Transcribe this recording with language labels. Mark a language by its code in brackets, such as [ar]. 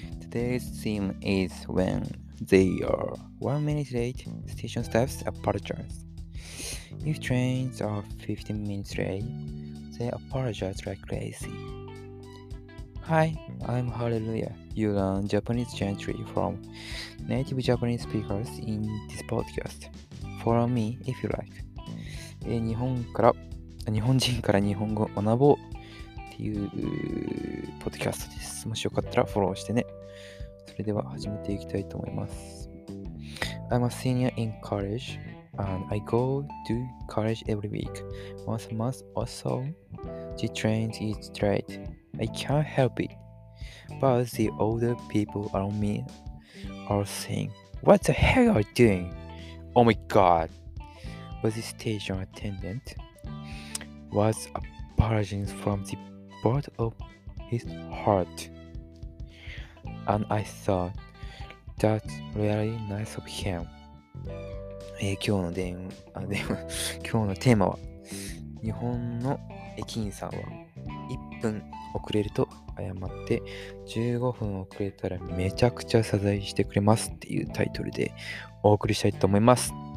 [en] Today's theme is when they are 1 minute late, station staffs apologize. If trains are 15 minutes late, they apologize like crazy. Hi, I'm Hallelujah. You learn Japanese gently from native Japanese speakers in this podcast. Follow me if you like. [ja] 日本人から日本語を学ぼうっていうポッドキャストです。もしよかったらフォローしてね。それでは始めていきたいと思います。 [en] I'm a senior in college and I go to college every week. Once a month or so, the train is late. I can't help it. But the older people around me are saying, What the heck are you doing? Oh my god! But the station attendant was apologizing from the bottom of his heart. And I thought, that's really nice of him. [ja] 今日のテーマは、日本の駅員さんは1分遅れると謝って、15分遅れたらめちゃくちゃ謝罪してくれますっていうタイトルでお送りしたいと思います。